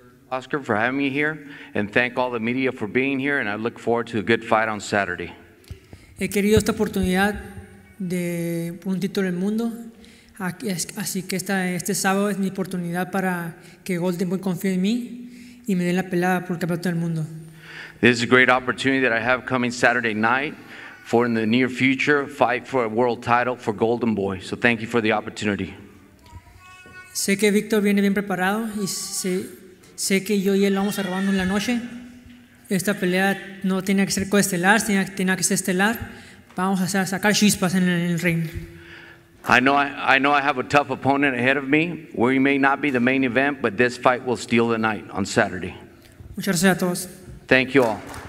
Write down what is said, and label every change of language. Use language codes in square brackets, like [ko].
[en] Oscar, for having me here, and thank all the media for being here, and I look forward to a good fight on Saturday. [es] He querido esta oportunidad de un título del mundo, así que este sábado es mi oportunidad para que Golden Boy confíe en mí y me den la pelea por el campeonato del mundo. [en] This is a great opportunity that I have coming Saturday night for in the near future fight for a world title for Golden Boy. So thank you for the opportunity. [es] Sé que Víctor viene bien preparado y sé que yo y él lo vamos a robar en la noche. Esta pelea no tiene que ser coestelar, tiene que ser estelar. Vamos a sacar chispas en el ring. [en] I know I have a tough opponent ahead of me. We may not be the main event, but this fight will steal the night on Saturday. [es] Muchas gracias a todos. [en] Thank you all.